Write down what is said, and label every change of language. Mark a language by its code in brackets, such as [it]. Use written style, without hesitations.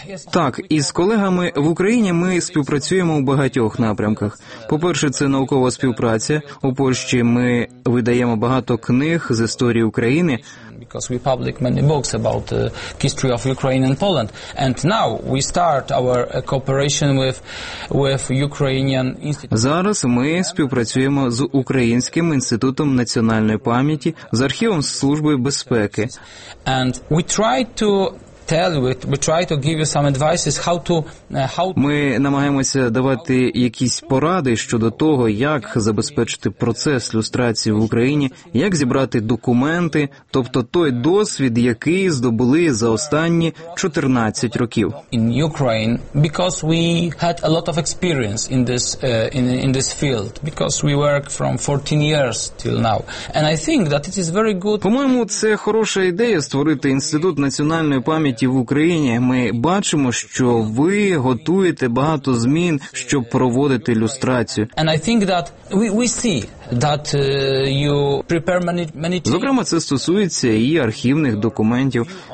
[uk] Так, із колегами в Україні ми співпрацюємо у багатьох напрямках. По-перше, це наукова співпраця. У Польщі ми видаємо багато книг з історії України. [en] Because we publish many books about the history of Ukraine and Poland, and now we start our cooperation with Ukrainian Institute. [uk] Зараз ми співпрацюємо з Українським інститутом національної пам'яті, з архівом Служби безпеки. [en] And we try to tell you, we try to give you some advices how to [uk] Ми намагаємося давати якісь поради щодо того, як забезпечити процес люстрації в Україні, як зібрати документи, тобто той досвід, який здобули за останні 14 років. [en] In Ukraine, because we had a lot of experience in this field, because we work from 14 years till now. And I think that it is very good. [uk] По-моєму, це хороша ідея створити інститут національної пам'яті в Україні. Ми бачимо, що ви готуєте багато змін, щоб проводити люстрацію. [en] And I think that we see that you prepare many [uk] Зокрема, це стосується і архівних документів.